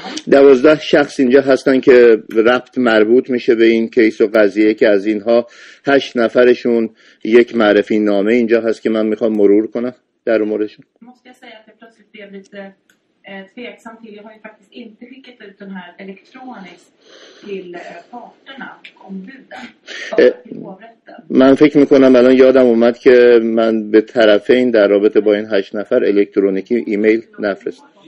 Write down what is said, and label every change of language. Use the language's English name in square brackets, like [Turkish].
[Persian] دوازده شخص اینجا هستن که ربط مربوط میشه به این کیس و قضیه که از اینها 8 نفرشون یک معرفی نامه اینجا هست که من میخوام مرور کنم در موردشون. [Swedish] Måste jag säga att det plötsligt blev lite tveksam till. Jag har ju faktiskt inte skickat ut den här elektroniskt till parterna om buden. [Persian] من فکر میکنم الان یادم اومد که من به طرفین در رابطه با این 8 نفر الکترونیکی ایمیل نفرست.